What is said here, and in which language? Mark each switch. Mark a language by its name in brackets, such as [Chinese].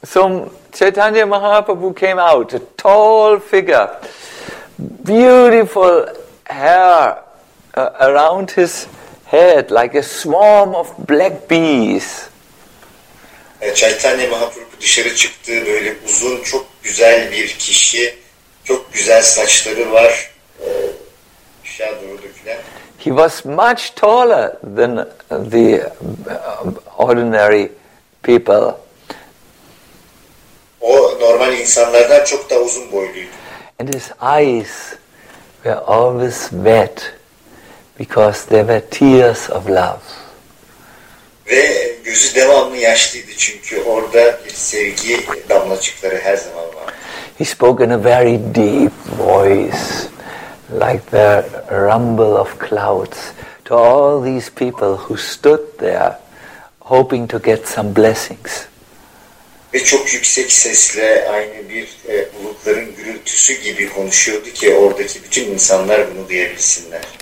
[English] So Chaitanya Mahaprabhu came out, a tall figure, beautiful hair around his head like a swarm of black bees. [Turkish] Chaitanya Mahaprabhu dışarı çıktı, böyle uzun, çok güzel bir kişi, çok güzel saçları var. Aşağı doğru dökülen. [English] He was much taller than the ordinary people. [Turkish] O normal insanlardan çok daha uzun boyluydu. [English] And his eyes were always wet because there were tears of love. [Turkish] Ve gözü devamlı yaşlıydı çünkü orada bir sevgi damlacıkları her zaman vardı. He spoke in a very deep voice, like the rumble of clouds, to all these people who stood there hoping to get some blessings. Ve çok yüksek sesle aynı bir bulutların gürültüsü gibi konuşuyordu ki oradaki bütün insanlar bunu duyabilsinler.